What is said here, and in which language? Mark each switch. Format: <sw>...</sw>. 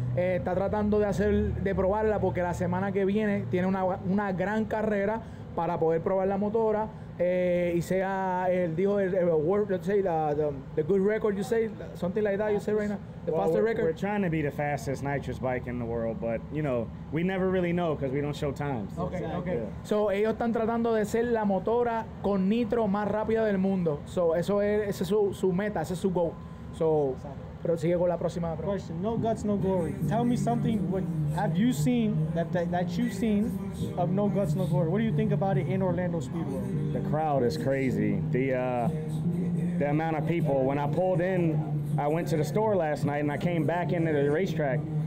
<es>Está tratando de probarla porque la semana que viene tiene una gran carrera para poder probar la motora y sea el dijo el</es> <en>world, let's say the good record, you say something like that, you say right now the fastest record. We're trying to be the fastest nitrous bike in the world, but you know we never really know because we don't show times. Okay. Yeah.</en> <es>So ellos están tratando de ser la motora con nitro más rápida del mundo. So ese es su meta, ese es su goal. So</es> <en>exactly.</en> <es>Pero sigue con la próxima pregunta.</es> <en>Question, No Guts, No Glory. Tell me something, what have you seen, that you've seen of No Guts, No Glory? What do you think about it in Orlando Speedway? The crowd is crazy. The amount of people. When I pulled in, I went to the store last night and I came back into the racetrack</en>